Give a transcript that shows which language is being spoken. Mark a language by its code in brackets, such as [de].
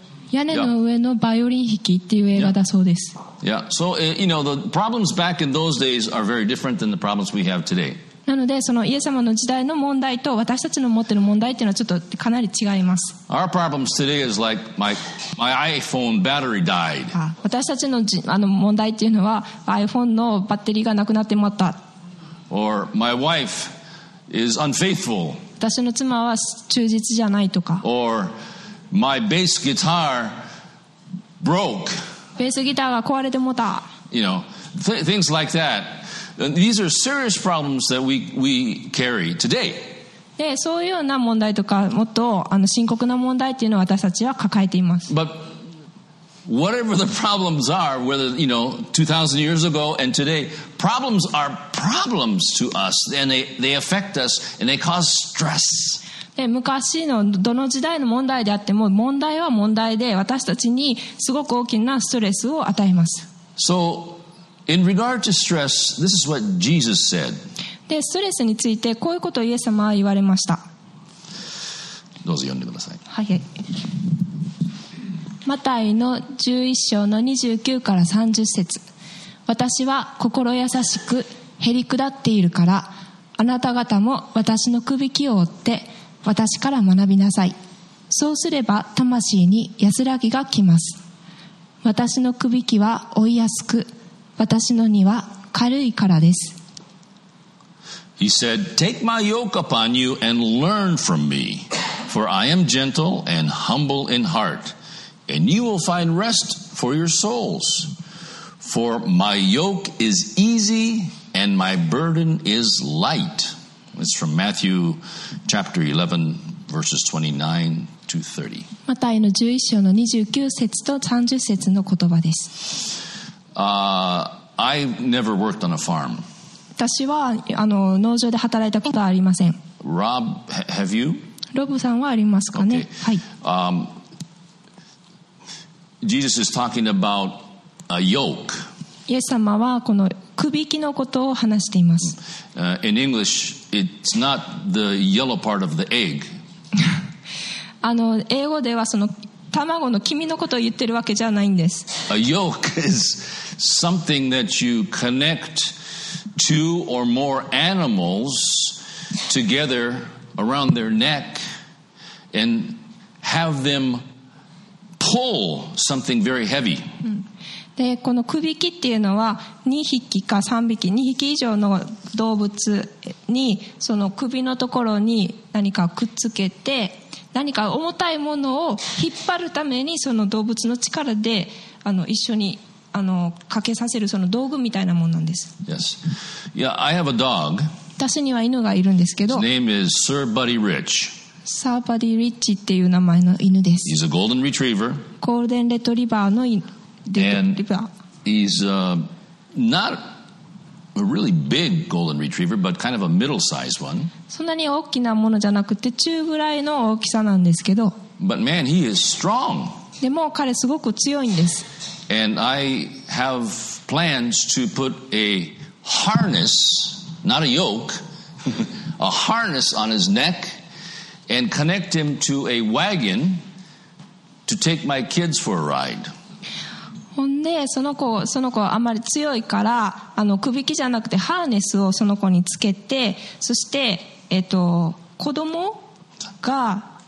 [ja] 屋根の上のバイオリン弾きっていう映画だそうです。 [en] Yeah. So, you know, the problems back in those days are very different than the problems we have today. [ja] なのでそのイエス様の時代の問題と私たちの持っている問題というのはちょっとかなり違います。 [en] Our problems today is like my iPhone battery died. [ja] 私たち の問題というのは iPhone のバッテリーがなくなってまった。 [en] Or my wife is unfaithful. [ja] 私の妻は忠実じゃないとか。 [en] Or my bass guitar broke. [ja] ベースギターが壊れてもた。 [en] You know, things like that. These are serious problems that we carry today. [ja] で、そういうような問題とか、もっと深刻な問題っていうのを私たちは抱えています。 [en] But whatever the problems are, whether, you know, 2,000 years ago and today, problems are problems to us, and they affect us, and they cause stress. [ja] で昔のどの時代の問題であっても問題は問題で私たちにすごく大きなストレスを与えます。 [en] So, in regard to stress, this is what Jesus said. [ja] で、ストレスについてこういうことをイエス様は言われました。どうぞ読んでください。はい。マタイの11章の29から30節。私は心優しく減り下っているから、あなた方も私の首輝きを追って、私から学びなさい。そうすれば魂に安らぎがきます。私の首輝きは負いやすく、私の荷は軽いからです。 [en] He said, Take my yoke upon you and learn from me, for I am gentle and humble in heart, and you will find rest for your souls, for my yoke is easy and my burden is light. It's from Matthew chapter 11, verses 29 to 30. [ja] マタイの11章の29節と30節の言葉です。 [en] I never worked on a farm. [ja] 私は農場で働いたことはありません。 [en] Rob, have you? [ja] ロブさんはありますかね。 [en] Okay. [ja] はい。 [en] Jesus is talking about a yoke. [ja] イエス様はこの首輝きのことを話しています。 [en] In English, it's not the yellow part of the egg. [ja] 英語ではその卵の黄身のことを言ってるわけじゃないんです。 [en] A yoke is something that you connect two or more animals together around their neck and have them pull something very heavy. [ja] でこの首輝きっていうのは2匹か3匹2匹以上の動物にその首のところに何かくっつけて何か重たいものを引っ張るためにその動物の力で一緒にかけさせるその道具みたいなものなんです。 [en] Yes. Yeah, I have a dog. [ja] 私には犬がいるんですけど [en] His name is Sir Buddy Rich. [ja] サーバディ・リッチっていう名前の犬です。 [en] He's a golden retriever. [ja] ゴールデンレトリバーの犬。 [en] And he's not a really big golden retriever, but kind of a middle-sized one. [ja] そんなに大きなものじゃなくて中ぐらいの大きさなんですけど。 [en] But man, he is strong. [ja] でも彼すごく強いんです。 [en] And I have plans to put a harness, not a yoke, a harness on his neck and connect him to a wagon to take my kids for a ride. [ja] ほんでその子はあまり強いから首輝きじゃなくてハーネスをその子につけてそして、子供が